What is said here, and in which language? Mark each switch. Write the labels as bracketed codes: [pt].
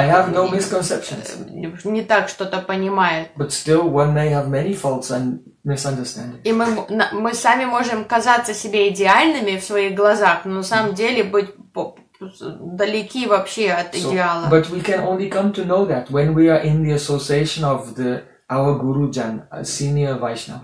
[en] I have no misconceptions. [ru] Не так что-то понимают. [en] But still one may have many faults and misunderstandings. [ru] И мы сами можем казаться себе идеальными в своих глазах, но на самом деле быть далеки вообще от идеала. [en] But we can only come to know that when we are in the association of our Gurujan, senior Vaishnavas.